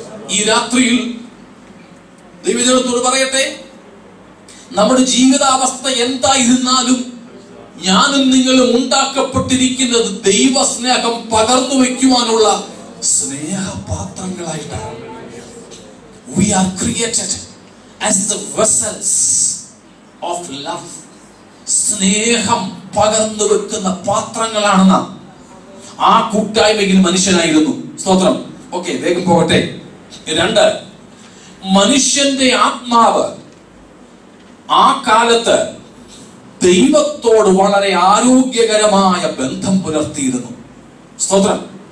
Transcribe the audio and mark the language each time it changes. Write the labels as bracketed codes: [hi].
[ml] ഈ രാത്രിയിൽ ദൈവജനത്തോട് പറയട്ടെ, നമ്മുടെ ജീവിതാവസ്ഥ എന്തായിരുന്നാലും ഞാനും നിങ്ങളും ഉണ്ടാക്കപ്പെട്ടിരിക്കുന്നത് ദൈവ സ്നേഹം പകർന്നു വയ്ക്കുവാനുള്ള സ്നേഹപാത്രങ്ങളായിട്ടാണ്. [en] We are created as the vessels of love. [ml] സ്നേഹം പകർന്നു വെക്കുന്ന പാത്രങ്ങളാണെന്ന ആ കൂട്ടായ്മയിൽ മനുഷ്യനായിരുന്നു. സ്തോത്രം. ഓക്കെ, വേഗം പോകട്ടെ. രണ്ട്, മനുഷ്യന്റെ ആത്മാവ് ആ കാലത്ത് ദൈവത്തോട് വളരെ ആരോഗ്യകരമായ ബന്ധം പുലർത്തിയിരുന്നു. സ്തോത്രം.